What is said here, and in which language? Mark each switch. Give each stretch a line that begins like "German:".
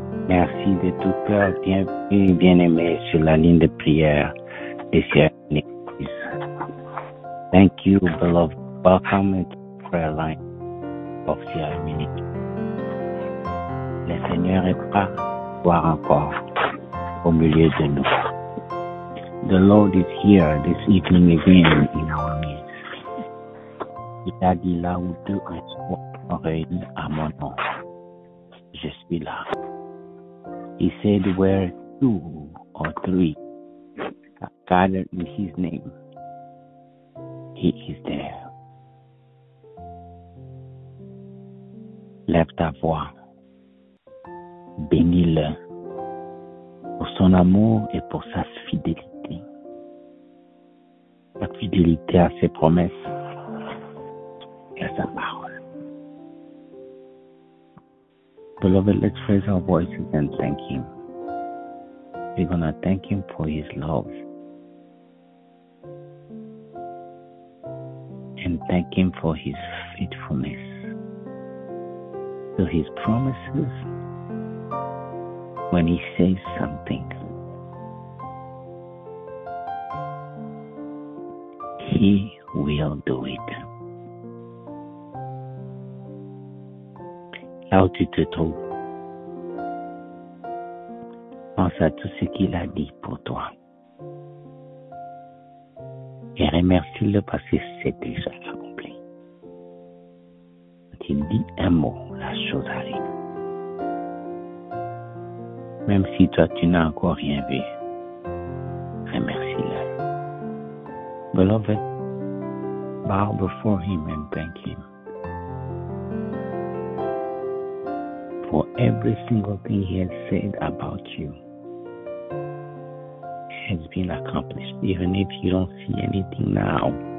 French: Merci de tout cœur, bienvenue, bien-aimé, sur la ligne de prière des sœurs.
English: Thank you, beloved. Welcome to the prayer line of Sierra Minute.
French: Le Seigneur est prêt à voir encore au milieu de nous.
English: The Lord is here this evening again in our midst.
French: Il a dit là où deux ou trois sont réunis à mon nom. Je suis là.
English: He said where two or three are gathered in his name. He is there.
French: Lève ta voix. Bénis-le pour son amour et pour sa fidélité. Sa fidélité à ses promesses et à sa parole.
English: Beloved, let's raise our voices and thank him. We're going to thank him for his love. And thank him for his faithfulness to his promises. When he says something, he will do it.
French: Là où tu te trouves, pense à tout ce qu'il a dit pour toi. Et remercie-le parce que c'est déjà accompli. Quand il dit un mot, la chose arrive. Même si toi, tu n'as encore rien vu, remercie-le.
English: Beloved, bow before him and thank him for every single thing he has said about you. Has been accomplished, even if you don't see anything now.